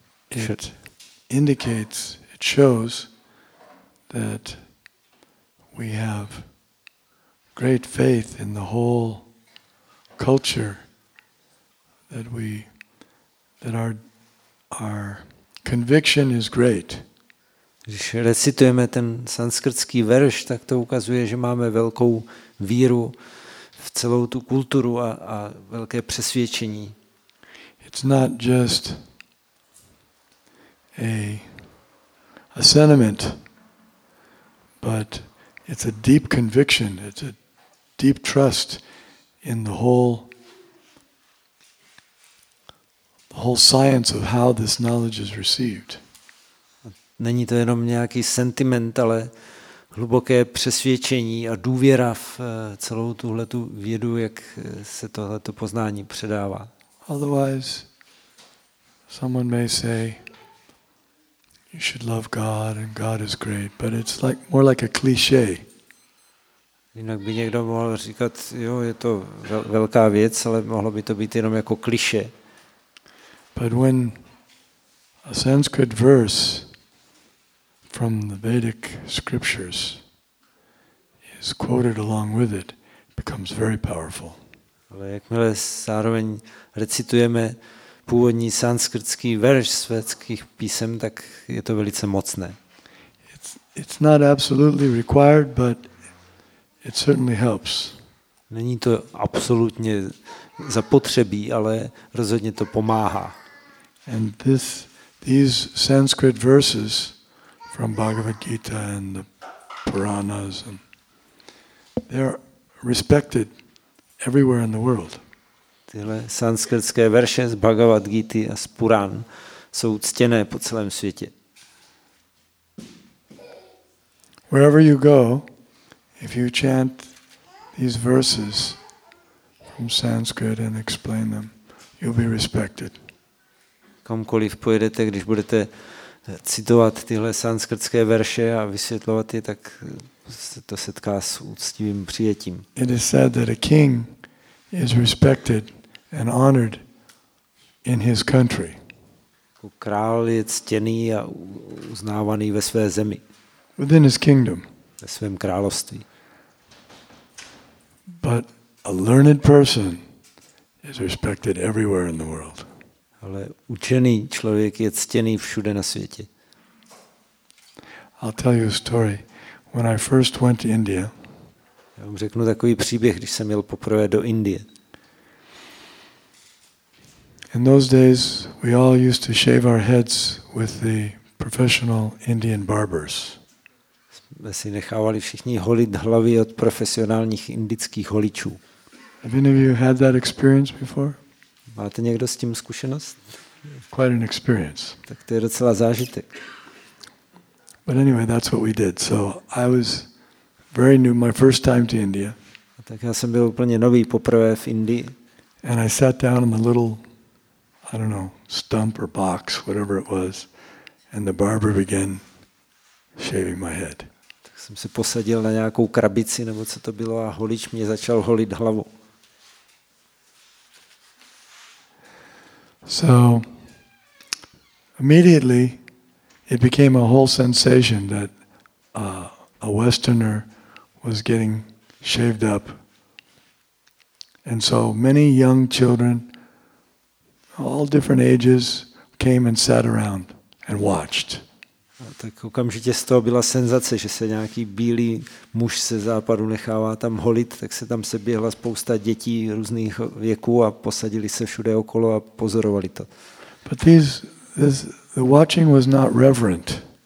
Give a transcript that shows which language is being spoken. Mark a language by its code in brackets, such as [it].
[en] It indicates, it shows that we have great faith in the whole culture, that our conviction is great. [cs] Když recitujeme ten sanskrtský verš, tak to ukazuje, že máme velkou víru v celou tu kulturu a velké přesvědčení. [en] It's not just a sentiment, but it's a deep conviction, it's a deep trust in the whole science of how this knowledge is received. [cs] Není to jenom nějaký sentiment, ale hluboké přesvědčení a důvěra v celou tuhletu vědu, jak se tohleto poznání předává. [en] Otherwise, someone may say, you should love God and God is great, but it's like more like a cliché. [cs] Jinak by někdo mohl říkat, jo, je to velká věc, ale mohlo by to být jenom jako kliše. [en] But when a Sanskrit verse from the Vedic scriptures is quoted along with it, it becomes very powerful. [cs] Ale jakmile zároveň recitujeme původní sanskrtský verš z védských písem, tak je to velice mocné. [en] It's not absolutely required, but it certainly helps. [cs] Není to absolutně zapotřebí, ale rozhodně to pomáhá. [en] And these Sanskrit verses from Bhagavad Gita and the Puranas, and they're respected everywhere in the world. [cs] Tyhle sanskrtské verše z Bhagavad Gita a z Puran jsou ctěné po celém světě. [en] Wherever you go, if you chant these verses from Sanskrit and explain them, you'll be respected. [cs] Kamkoliv pojedete, když budete citovat tyhle sanskrtské verše a vysvětlovat je, tak se to setká s úctivým přijetím. [en] It is said that a king is respected and honored in his country. [cs] Král je ctěný a uznávaný ve své zemi. [en] Within his kingdom. [cs] Ve svém království. [en] But a learned person is respected everywhere in the world. [cs] Ale učený člověk je ctěný všude na světě. [en] I'll tell you a story. When I first went to India. [cs] Já vám řeknu takový příběh, když jsem jel poprvé do Indie. [en] In those days we all used to shave our heads with the professional Indian barbers. [cs] Jsme si nechávali všichni holit hlavy od profesionálních indických holičů. [en] Have any of you had that experience before? [cs] Máte někdo s tím zkušenost? [en] Quite an experience. [cs] Tak to je docela zážitek. [en] But anyway, that's what we did. So I was very new, my first time to India. [cs] A tak já jsem byl úplně nový, poprvé v Indii. [en] And I sat down on the little, I don't know, stump or box, whatever it was, and the barber began shaving my head. [cs] Tak jsem se posadil na nějakou krabici nebo co to bylo a holič mě začal holit hlavu. [en] So immediately it became a whole sensation that a Westerner was getting shaved up. And so many young children, all different ages, came and sat around and watched. [cs] Tak okamžitě z toho byla senzace, že se nějaký bílý muž ze západu nechává tam holit, tak se tam seběhla spousta dětí různých věků a posadili se všude okolo a pozorovali to. [en] But the watching was not reverent.